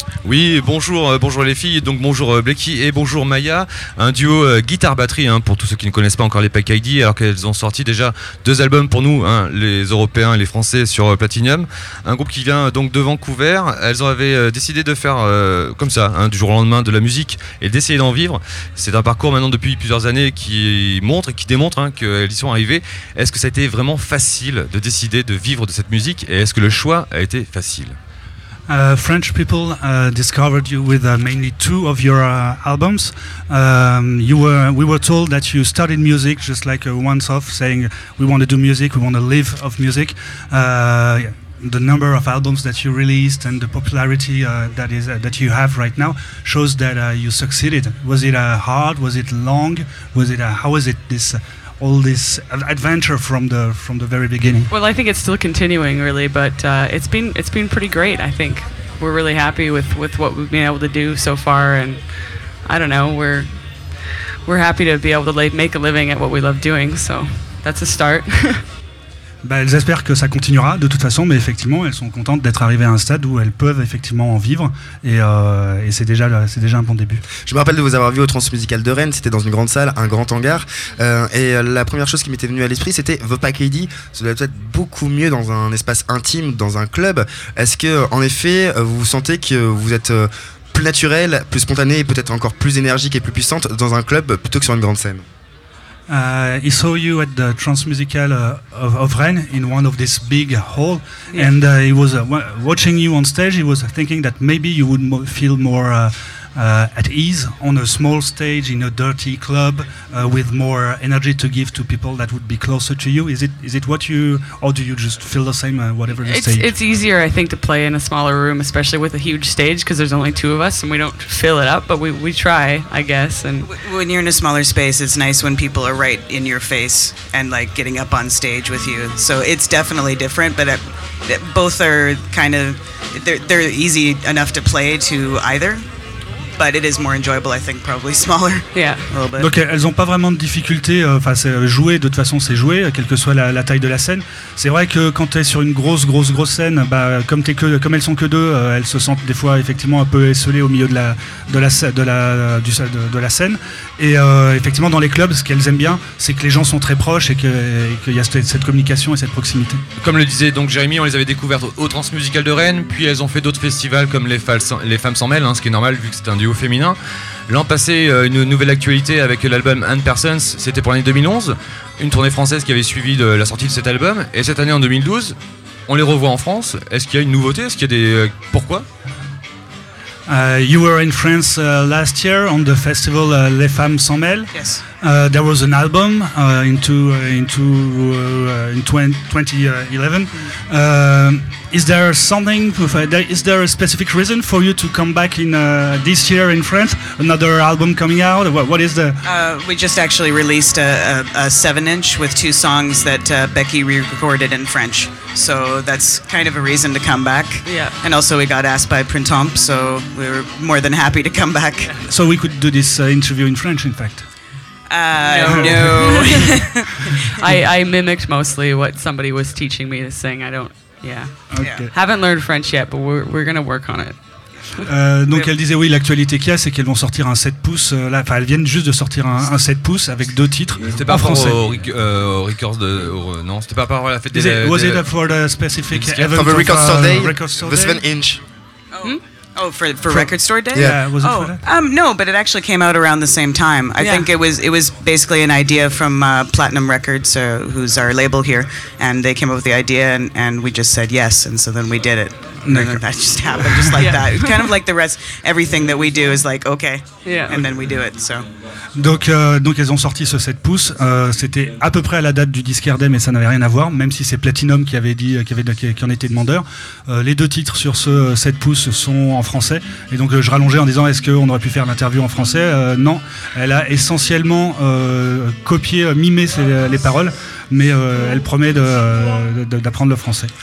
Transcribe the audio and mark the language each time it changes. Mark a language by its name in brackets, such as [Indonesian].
[French] Oui, bonjour, bonjour les filles, donc bonjour Blacky et bonjour Maya, un duo guitare-batterie hein, pour tous ceux qui ne connaissent pas encore les Packagey, alors qu'elles ont sorti déjà deux albums pour nous, hein, les Européens et les Français sur Platinum, un groupe qui vient donc de Vancouver. Elles avaient décidé de faire comme ça, hein, du jour au lendemain, de la musique et d'essayer d'en vivre. C'est un parcours maintenant depuis plusieurs années qui montre, qui démontre hein, qu'elles y sont arrivées. Est-ce que ça a été vraiment facile de décider de vivre de cette musique et est-ce que le choix a été facile? [English] French people discovered you with mainly two of your albums. We were told that you started music just like once off, saying we want to do music, we want to live of music. The number of albums that you released and the popularity that you have right now shows that you succeeded. Was it hard? Was it long? Was it how was it this? All this adventure from the very beginning. Well, I think it's still continuing, really, but it's been pretty great. I think we're really happy with what we've been able to do so far, and I don't know, we're happy to be able to make a living at what we love doing. So that's a start. [French] Ben, elles espèrent que ça continuera de toute façon, mais effectivement, elles sont contentes d'être arrivées à un stade où elles peuvent effectivement en vivre, et c'est déjà un bon début. Je me rappelle de vous avoir vu au Transmusical de Rennes, c'était dans une grande salle, un grand hangar, et la première chose qui m'était venue à l'esprit, c'était The Packagey, ça doit être beaucoup mieux dans un espace intime, dans un club. Est-ce que, en effet, vous sentez que vous êtes plus naturelle, plus spontanée, et peut-être encore plus énergique et plus puissante dans un club plutôt que sur une grande scène? [English] He saw you at the Transmusical of Rennes in one of these big hall, yeah. And he was watching you on stage. He was thinking that maybe you would feel more at ease on a small stage in a dirty club with more energy to give to people that would be closer to you. Is it what you, or do you just feel the same whatever the it's, stage? It's easier, I think, to play in a smaller room, especially with a huge stage, because there's only two of us and we don't fill it up, but we try, I guess. And when you're in a smaller space, it's nice when people are right in your face and like getting up on stage with you. So it's definitely different, but both are kind of, they're easy enough to play to either. But it is more enjoyable, I think, probably smaller. Yeah. A little bit. [French] Donc elles n'ont pas vraiment de difficulté, enfin jouer, de toute façon c'est jouer, quelle que soit la taille de la scène. C'est vrai que quand tu es sur une grosse scène, bah, comme elles sont que deux, elles se sentent des fois effectivement un peu esselées au milieu de la scène. Et effectivement dans les clubs, ce qu'elles aiment bien, c'est que les gens sont très proches et qu'il y a cette communication et cette proximité. Comme le disait donc Jérémy, on les avait découvertes au Transmusical de Rennes, puis elles ont fait d'autres festivals comme les Femmes Sans Mêle, hein, ce qui est normal vu que c'est un duo féminin. L'an passé, une nouvelle actualité avec l'album And Persons, c'était pour l'année 2011, une tournée française qui avait suivi de la sortie de cet album. Et cette année, en 2012, on les revoit en France. Est-ce qu'il y a une nouveauté? Est-ce qu'il y a des... Pourquoi? [English] You were in France last year on the festival Les Femmes Sans Mêle. Yes. There was an album in 2011. Is there something? Is there a specific reason for you to come back in this year in France? Another album coming out? What is the? We just actually released a 7-inch with two songs that Becky re-recorded in French. So that's kind of a reason to come back. Yeah. And also we got asked by Printemps, so we were more than happy to come back. So we could do this interview in French, in fact. No. I mimicked mostly what somebody was teaching me to sing. I don't. Yeah. Okay. Haven't learned French yet, but we're gonna work on it. [French] Donc elle disait oui, l'actualité qu'il y a, c'est qu'elles vont sortir un 7 pouces. Là, enfin, elles viennent juste de sortir un 7 pouces avec deux titres. C'était pas en français. C'était pas par rapport à la fête des. [English] Was it for the specific event? From the record store day. Record store the 7 inch. Oh. Hmm? Oh, for record store day. Yeah. Was it oh, for that? No, but it actually came out around the same time. I think it was basically an idea from Platinum Records, who's our label here, and they came up with the idea, and we just said yes, and so then we did it. that just happened, just like that. It's kind of like the rest, everything that we do is like, okay, and then we do it, so. [French] Donc elles ont sorti ce 7 pouces, c'était à peu près à la date du disque RD, mais ça n'avait rien à voir, même si c'est Platinum qui en était demandeur. Les deux titres sur ce 7 pouces sont en français, et donc je rallongeais en disant, est-ce qu'on aurait pu faire l'interview en français? Non, elle a essentiellement copié, mimé les paroles, mais elle promet d'apprendre le français.